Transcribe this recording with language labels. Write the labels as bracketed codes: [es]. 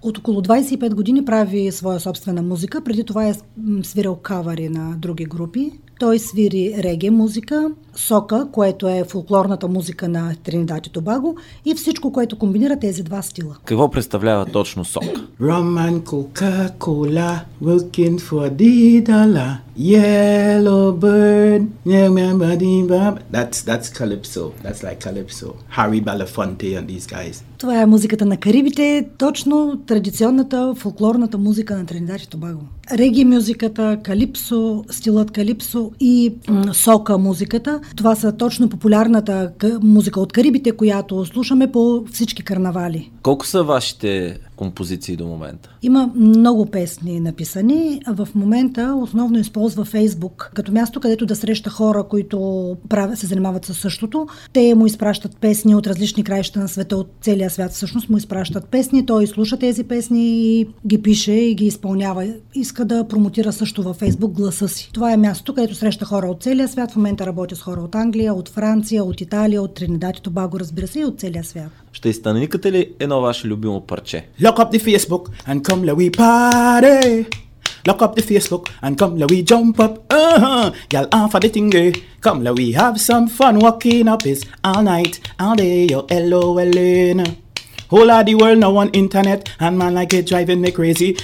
[bg] От около 25 години прави своя собствена музика. Преди това е свирал кавари на други групи. Той свири реге музика, сока, което е фолклорната музика на Тринидад и Тобаго, и всичко, което комбинира тези два стила. Какво представлява точно сока? [en] Rum and Coca-Cola, working for Didala, yellow bird, that's Calypso, that's like Calypso, Harry Belafonte and these guys. [bg] Това е музиката на Карибите, точно традиционната фолклорната музика на Тринидад и Тобаго. Реги музиката, калипсо, стилът калипсо и сока музиката. Това са точно популярната музика от Карибите, която слушаме по всички карнавали. Колко са вашите композиции до момента? Има много песни написани. В момента основно използва Фейсбук като място, където да среща хора, които се занимават със същото. Те му изпращат песни от различни краища на света, от целия свят. Всъщност му изпращат песни, той слуша тези песни и ги пише и ги изпълнява. Иска да промотира също във Фейсбук гласа си. Това е място, където среща хора от целия свят. В момента работя с хора от Англия, от Франция, от Италия, от Тринидад и Тобаго, разбира се, и от целия свят. Ще изтъникате ли едно ваше любимо парче? [en] Lock up the Facebook and come let we party. Lock up the Facebook and come let we jump up. Girl, off of the tingle. Come let we have some fun walking up is all night, all day. Yo, hello, Elena. Whole of the world now on internet and man like it driving me crazy.